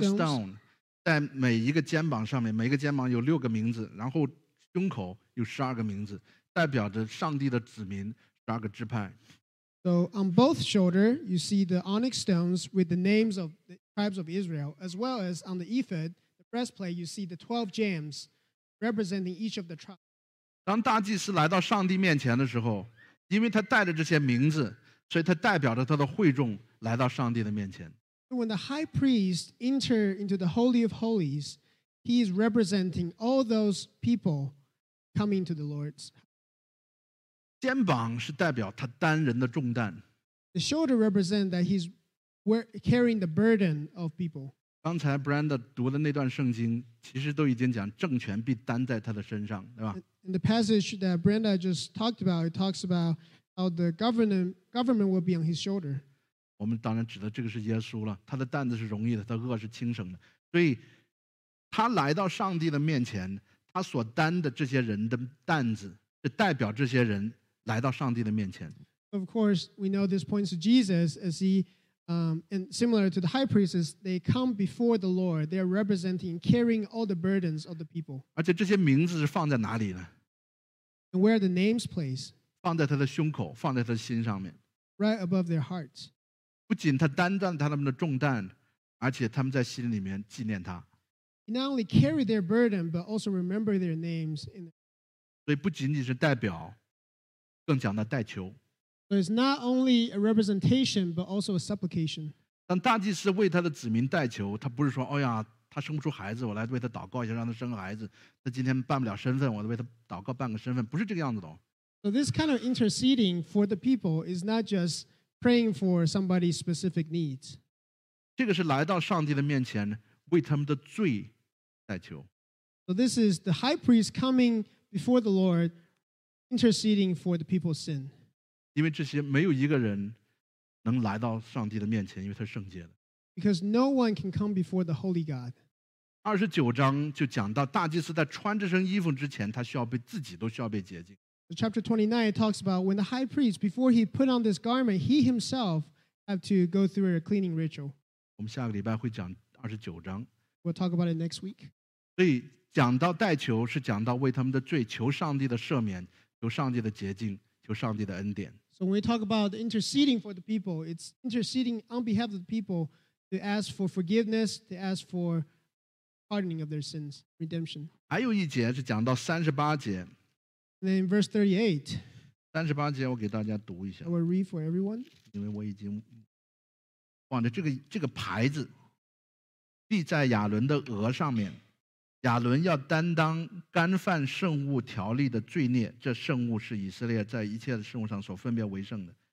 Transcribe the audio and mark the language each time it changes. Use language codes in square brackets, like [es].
[zh] onyx stone, 在每一个肩膀上面，每一个肩膀有六个名字，然后胸口有十二个名字，代表着上帝的子民，十二个支派。 [en] So on both shoulders, you see the onyx stones with the names of the tribes of Israel, as well as on the ephod, the breastplate, you see the 12 gems representing each of the tribes. [zh] 当大祭司来到上帝面前的时候，因为他带着这些名字，所以他代表着他的会众来到上帝的面前。 [en] When the high priest enter into the Holy of Holies, he is representing all those people coming to the Lord's. [zh] 肩膀是代表他担人的重担。 [en] The shoulder represents that he's carrying the burden of people. [zh] 刚才 Brenda 读的那段圣经，其实都已经讲政权必担在他的身上，对吧 [en] ？In the passage that Brenda just talked about, it talks about how the government will be on his shoulder. [zh] 我们当然指的这个是耶稣了，他的担子是容易的，他轭是轻省的。所以他来到上帝的面前，他所担的这些人的担子是代表这些人来到上帝的面前。 [en] Of course, we know this points to Jesus as he, and similar to the high priests, they come before the Lord. They are representing, carrying all the burdens of the people. [zh] 而且这些名字是放在哪里呢？ [en] And where are the names placed? [zh] 放在他的胸口，放在他的心上面。 [en] Right above their hearts. [zh] 不仅他担当他们的重担，而且他们在心里面纪念他。 [en] He not only carry their burden, but also remember their names. [zh] 所以不仅仅是代表，更讲到代求。 [en] So it's not only a representation, but also a supplication. [zh] 当大祭司为他的子民代求，他不是说，哎呀，他生不出孩子，我来为他祷告一下，让他生个孩子。他今天办不了身份，我为他祷告办个身份，不是这个样子的。 [en] So this kind of interceding for the people is not just praying for somebody's specific needs. [zh] 这个是来到上帝的面前为他们的罪代求。 [en] So this is the high priest coming before the Lord, interceding for the people's sin. [zh] 因为这些没有一个人能来到上帝的面前，因为他是圣洁的。 [en] Because no one can come before the holy God. [zh] 二十九章就讲到大祭司在穿这身衣服之前，他需要被自己都需要被洁净。 [en] So chapter 29 talks about when the high priest, before he put on this garment, he himself had to go through a cleaning ritual. [zh] 我们下个礼拜会讲二十九章。 [en] We'll talk about it next week. [zh] 所以讲到代求是讲到为他们的罪求上帝的赦免，求上帝的洁净，求上帝的恩典。 [en] So when we talk about interceding for the people, it's interceding on behalf of the people to ask for forgiveness, to ask for pardoning of their sins, redemption. [zh] 还有一节是讲到三十八节。 [en] Then verse 38. [zh] 三十八节我给大家读一下。 [en] I will read for everyone. [zh] 因为我已经忘了这个牌子立在亚伦的额上面。亚伦要担当干犯圣物条例的罪孽，这圣物是以色列在一切的圣物上所分别为圣的。